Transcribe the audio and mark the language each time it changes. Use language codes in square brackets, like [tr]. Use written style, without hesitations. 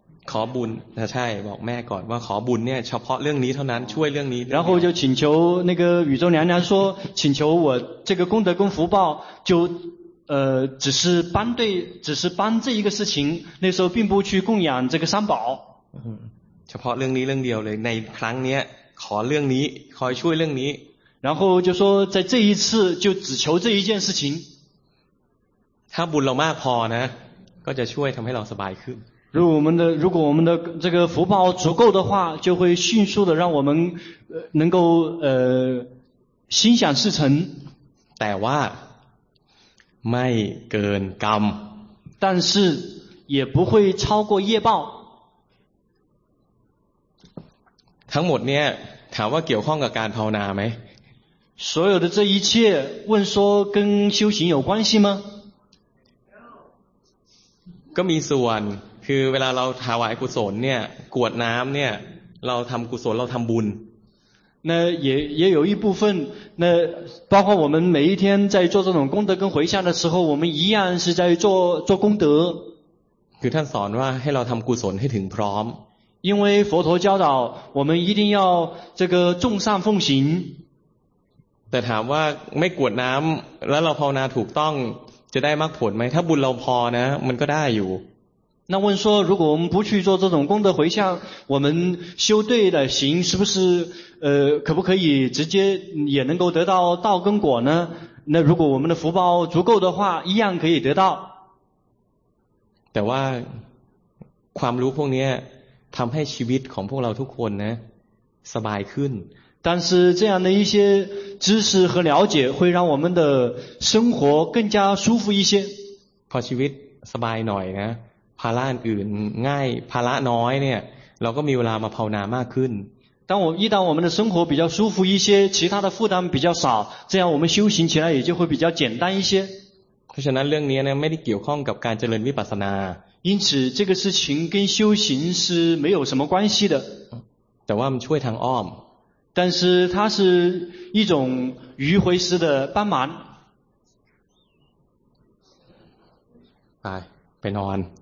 [th] ขอบุญนะใช่บอกแม่ก่อนว่าขอบุญเนี้ยเฉพาะเรื่องนี้เท่านั้นช่วยเรื่องนี้ [zh] 然后就请求那个宇宙娘娘说请求我这个功德跟福报就只是帮这一个事情那时候并不去供养这个三宝 [th] เฉพาะเรื่องนี้เรื่องเดียวเลยในครั้งเนี้ยขอเรื่องนี้ขอช่วยเรื่องนี้ [zh] 然后就说在这一次就只求这一件事情 [th] ถ้าบุญเรามากพอนะก็จะช่วยทำให้เราสบายขึ้น [zh] 如果我们的这个福报足够的话，就会迅速的让我们能够心想事成。 [th] แต่ว่าไม่เกินกรรม， [zh] 但是也不会超过业报。 [th] ทั้งหมดเนี่ยถามว่าเกี่ยวข้องกับการภาวนาไหม？ [zh] 所有的这一切，问说跟修行有关系吗？ [th] ก็มีส่วนคือเวลาเราถวายกุศลเนี่ยกวดน้ำเนี่ยเราทำกุศลเราทำบุญ [zh] 那也有一部分那包括我们每一天在做这种功德跟回向的时候我们一样是在做功德 [th] คือท่านสอนว่าให้เราทำกุศลให้ถึงพร้อม [zh] 因为佛陀教导我们一定要这个众善奉行 [th] แต่ถามว่าไม่กวดน้ำแล้วเราภาวนาถูกต้องจะได้มรรคผลไหมถ้าบุญเราพอนะมันก็ได้อยู่ [zh] 那问说如果我们不去做这种功德回向我们修对的行是不是可不可以直接也能够得到道跟果呢那如果我们的福报足够的话一样可以得到 [th] แต่ว่าความรู้พวกนี้ทำให้ชีวิตของพวกเราทุกคนนะสบายขึ้น [zh] 但是这样的一些知识和了解会让我们的生活更加舒服一些 [th] พอชีวิตสบายหน่อยนะภาระอื่นง่ายภาระน้อยเนี่ยเราก็มีเวลามาภาวนามากขึ้น [zh] 当我们的生活比较舒服一些其他的负担比较少这样我们修行起来也就会比较简单一些 [th] เพราะฉะนั้นเรื่องนี้เนี่ยไม่ได้เกี่ยวข้องกับการเจริญวิปัสสนา [zh] 因此这个事情跟修行是没有什么关系的 [th] แต่ว่ามันช่วยทางอ้อม [zh] 但是它是一种迂回式的帮忙 [th] ไปไปนอน